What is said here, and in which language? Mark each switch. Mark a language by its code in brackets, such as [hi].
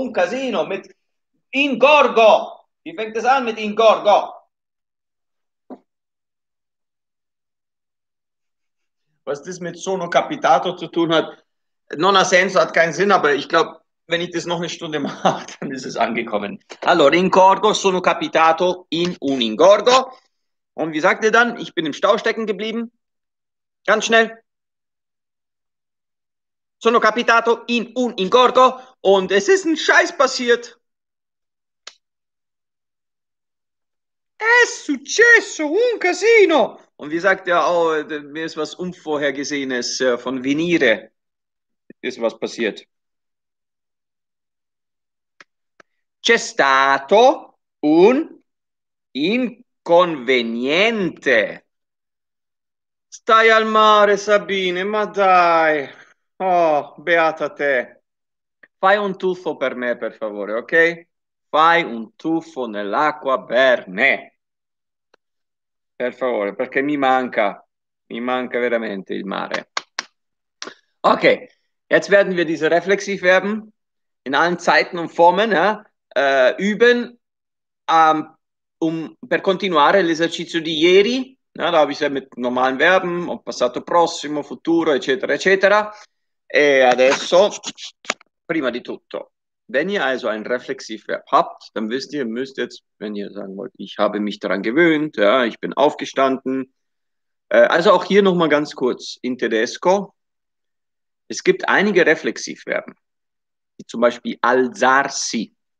[it] Un casino [de] mit ingorgo! Wie fängt es an mit ingorgo? Was ist mit so einem Capitato zu tun hat, [it] non ha senso, [de] hat keinen Sinn, aber ich glaube, wenn ich das noch eine Stunde mache, dann ist es angekommen. [it] Allora, incordo, sono capitato in un ingordo. [de] Und wie sagt ihr dann? Ich bin im Stau stecken geblieben. Ganz schnell. [it] Sono capitato in un ingordo [de] und es ist ein Scheiß passiert. [it] È successo un casino. [de] Und wie sagt ihr? Oh, mir ist was Unvorhergesehenes von venire. Ist was passiert. [it] C'è stato un inconveniente. Stai al mare, Sabine, ma dai. Oh, beata te. Fai un tuffo per me, per favore, ok? Fai un tuffo nell'acqua per me. Per favore, perché mi manca veramente il mare. [de] Ok, jetzt werden wir diese Reflexivverben in allen Zeiten und Formen, eh? Üben, [it] per continuare l'esercizio di ieri, no? [de] Da habe ich ja mit normalen Verben, passato prossimo, futuro, [it] eccetera, eccetera. E adesso, prima di tutto, [de] wenn ihr also ein Reflexivverb habt, dann wisst ihr, müsst jetzt, wenn ihr sagen wollt, ich habe mich daran gewöhnt, ja, ich bin aufgestanden. Also auch hier nochmal ganz kurz, [it] in tedesco, [de] es gibt einige Reflexivverben, wie zum Beispiel alzarsi.